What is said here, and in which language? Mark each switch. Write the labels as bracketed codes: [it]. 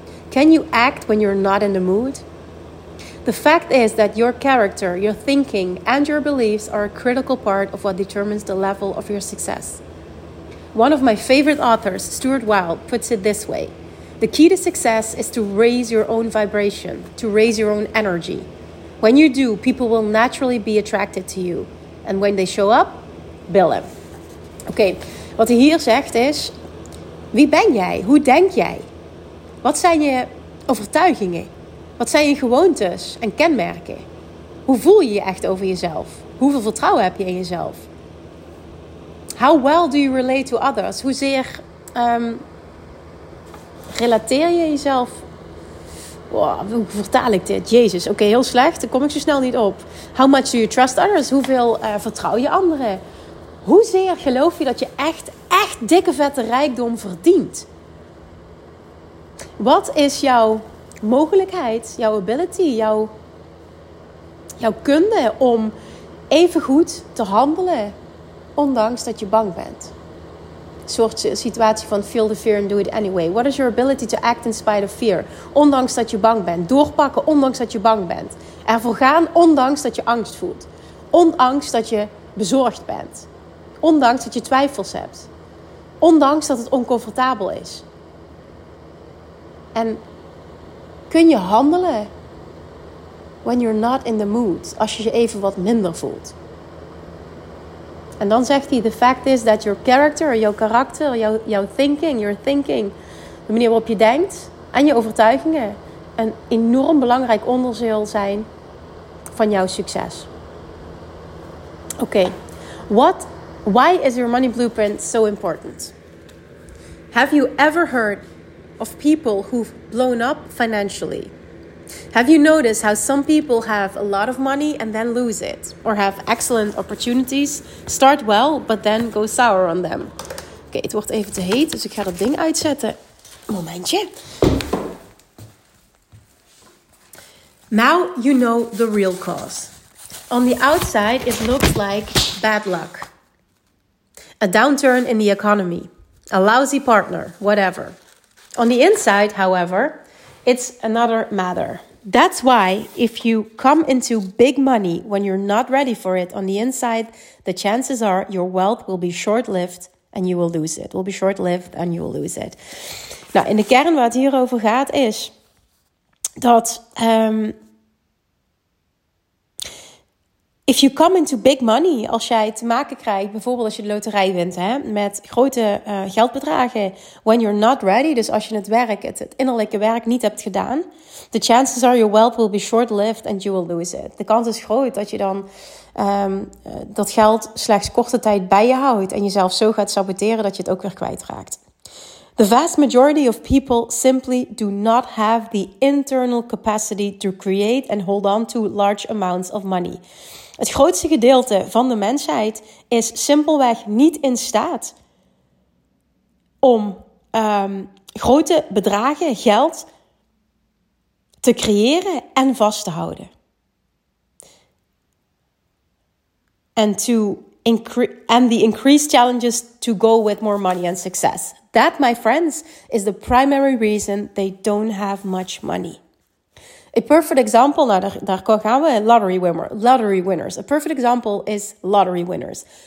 [en] Can you act when you're not in the mood? The fact is that your character, your thinking, and your beliefs are a critical part of what determines the level of your success. One of my favorite authors, Stuart Wilde, puts it this way. The key to success is to raise your own vibration, to raise your own energy. When you do, people will naturally be attracted to you. And when they show up, bill them. [nl] Oké, wat hij hier zegt is, wie ben jij? Hoe denk jij? Wat zijn je overtuigingen? Wat zijn je gewoontes en kenmerken? Hoe voel je je echt over jezelf? Hoeveel vertrouwen heb je in jezelf? [en] How well do you relate to others? [nl] Hoezeer relateer je jezelf? Wow, hoe vertaal ik dit? Jezus, oké, heel slecht. Daar kom ik zo snel niet op. [en] How much do you trust others? [nl] Hoeveel vertrouw je anderen? Hoezeer geloof je dat je echt dikke vette rijkdom verdient? Wat is jouw mogelijkheid, jouw ability, jouw kunde om even goed te handelen, ondanks dat je bang bent? Een soort situatie van [en] feel the fear and do it anyway. What is your ability to act in spite of fear? [nl] Ondanks dat je bang bent. Doorpakken ondanks dat je bang bent. Ervoor gaan ondanks dat je angst voelt. Ondanks dat je bezorgd bent. Ondanks dat je twijfels hebt. Ondanks dat het oncomfortabel is. En kun je handelen [en] when you're not in the mood? [nl] Als je je even wat minder voelt. En dan zegt hij, [en] the fact is that your character, [nl] jouw karakter, [en] your thinking, [nl] de manier waarop je denkt en je overtuigingen een enorm belangrijk onderdeel zijn van jouw succes. [en] Oké, why is your money blueprint so important? Have you ever heard of people who've blown up financially? Have you noticed how some people have a lot of money and then lose it? Or have excellent opportunities, start well, but then go sour on them? [nl] Oké, het wordt even te heet, dus ik ga dat ding uitzetten. Momentje. [en] Now you know the real cause. On the outside, it looks like bad luck. A downturn in the economy. A lousy partner, whatever. On the inside, however, it's another matter. That's why if you come into big money when you're not ready for it on the inside, the chances are your wealth will be short-lived and you will lose it. Will be short-lived and you will lose it. [nl] Nou, in de kern waar het hier over gaat is dat [en] if you come into big money, [nl] als jij te maken krijgt, bijvoorbeeld als je de loterij wint, hè, met grote geldbedragen, [en] when you're not ready, [nl] dus als je het innerlijke werk niet hebt gedaan, [en] the chances are your wealth will be short-lived and you will lose it. [nl] De kans is groot dat je dan dat geld slechts korte tijd bij je houdt en jezelf zo gaat saboteren dat je het ook weer kwijtraakt. [en] The vast majority of people simply do not have the internal capacity to create and hold on to large amounts of money. [nl] Het grootste gedeelte van de mensheid is simpelweg niet in staat om grote bedragen, geld, te creëren en vast te houden. [en] And the increased challenges to go with more money and success. That, my friends, is the primary reason they don't have much money. A perfect example, [nl] nou daar gaan we, [en] lottery winners. A perfect example is lottery winners.